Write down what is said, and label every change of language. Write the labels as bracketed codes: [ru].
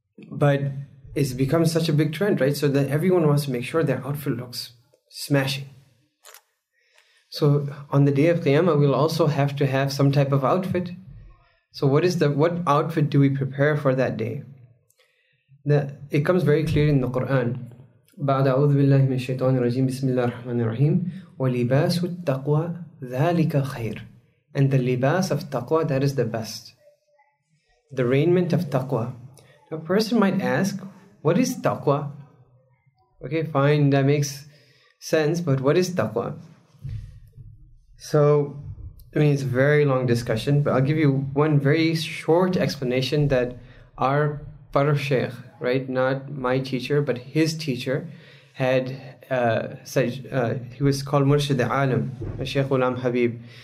[en] But it's become such a big trend, right? So that everyone wants to make sure their outfit looks smashing. So on the day of Qiyamah, we'll also have to have some type of outfit. So what outfit do we prepare for that day? It comes very clear in the Quran. [ar] بعد أعوذ بالله من الشيطان الرجيم بسم الله الرحمن الرحيم ولباس التقوى ذلك خير. [en] And the libas of taqwa, that is the best. The raiment of taqwa. A person might ask, what is taqwa? Okay, fine, that makes sense, but what is taqwa? So, I mean, it's a very long discussion, but I'll give you one very short explanation that our Farah Sheikh, right, not my teacher, but his teacher, had said, he was called Murshid Alam, Sheikh Ulam Habib.